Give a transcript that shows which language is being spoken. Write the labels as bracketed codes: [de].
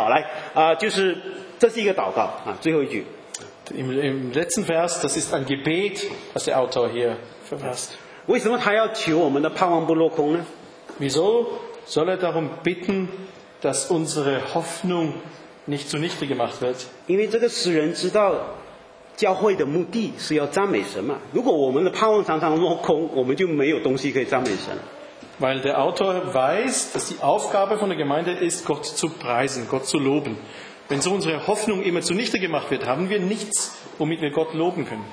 [zh] 来，再讲那里。OK，好，来，就是这是一个祷告，最后一句。 [de] Im letzten Vers, das ist ein Gebet, was der Autor hier verfasst. [zh] 为什么他要求我们的盼望不落空呢? [de] Wieso soll er darum bitten, dass unsere Hoffnung nicht zunichte gemacht wird? [zh] 因为这个使人知道教会的目的是要赞美神嘛。如果我们的盼望常常落空，我们就没有东西可以赞美神。 [de] Weil der Autor weiß, dass die Aufgabe von der Gemeinde ist, Gott zu preisen, Gott zu loben. Wenn so unsere Hoffnung immer zunichte gemacht wird, haben wir nichts, womit wir Gott loben können.